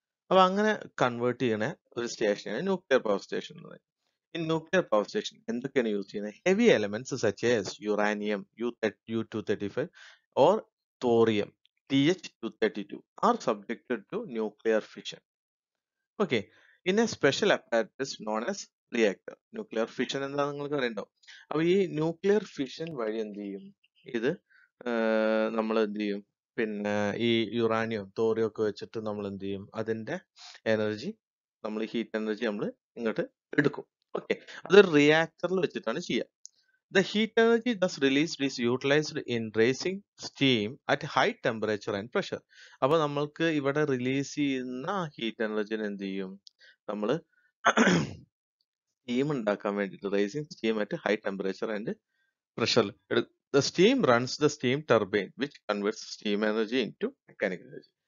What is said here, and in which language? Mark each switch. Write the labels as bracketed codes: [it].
[ml] അപ്പൊ അങ്ങനെ കൺവേർട്ട് ചെയ്യുന്ന ഒരു സ്റ്റേഷനാണ് ന്യൂക്ലിയർ പവർ സ്റ്റേഷൻ എന്ന് പറയുന്നത്. [en] in nuclear power station [ml] എന്തൊക്കെയാണ് യൂസ് ചെയ്യുന്നത്? [en] Heavy elements such as uranium U-235 or thorium TH-232 are subjected to nuclear fission. Okay, in a special apparatus known as reactor. [ml] Nuclear fission എന്താ നിങ്ങൾക്ക് അറിയണ്ടോ? അപ്പൊ ഈ nuclear fission വഴി എന്ത് ചെയ്യും, ഇത് നമ്മൾ എന്ത് ചെയ്യും, പിന്നെ ഈ യുറാനിയം തോറിയം ഒക്കെ വെച്ചിട്ട് നമ്മൾ എന്ത് ചെയ്യും, അതിന്റെ എനർജി നമ്മൾ ഹീറ്റ് എനർജി നമ്മൾ ഇങ്ങോട്ട് എടുക്കും. ഓക്കെ, അത് റിയാക്ടറിൽ വെച്ചിട്ടാണ് ചെയ്യുക. [en] The heat energy thus released is utilized in raising steam at high temperature and pressure. [ml] അപ്പോൾ നമ്മൾക്ക് ഇവിടെ റിലീസ് ചെയ്യുന്ന ഹീറ്റ് എനർജി എന്ത് ചെയ്യും, നമ്മൾ സ്റ്റീം ഉണ്ടാക്കാൻ വേണ്ടിയിട്ട് [en] Raising steam at high temperature and pressure. The steam runs the steam turbine which converts steam energy into mechanical energy.